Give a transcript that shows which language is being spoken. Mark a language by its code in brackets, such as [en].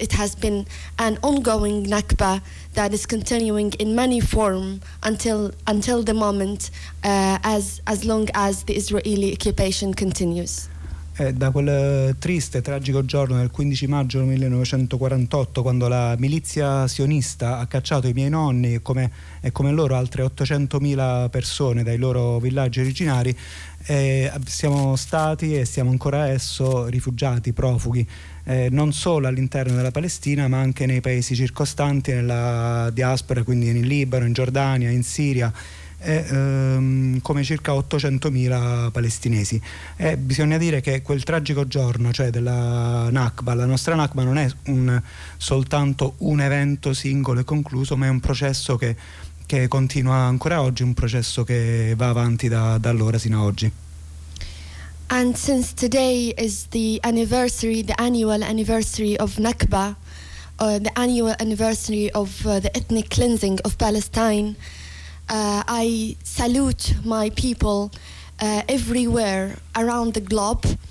[en] It has been an ongoing Nakba that is continuing in many form until the moment as long as the Israeli occupation continues. [it] Da quel triste e tragico giorno del 15 maggio 1948, quando la milizia sionista ha cacciato i miei nonni e come loro altre 800.000 persone dai loro villaggi originari, siamo stati e siamo ancora adesso rifugiati, profughi, non solo all'interno della Palestina ma anche nei paesi circostanti, nella diaspora, quindi in Libano, in Giordania, in Siria, come circa 800.000 palestinesi. E bisogna dire che quel tragico giorno, cioè della Nakba, la nostra Nakba, non è soltanto un evento singolo e concluso, ma è un processo che che continua ancora oggi, un processo che va avanti da allora sino a oggi. [en] And since today is the anniversary, the annual anniversary of Nakba, the annual anniversary of the ethnic cleansing of Palestine, I salute my people everywhere around the globe.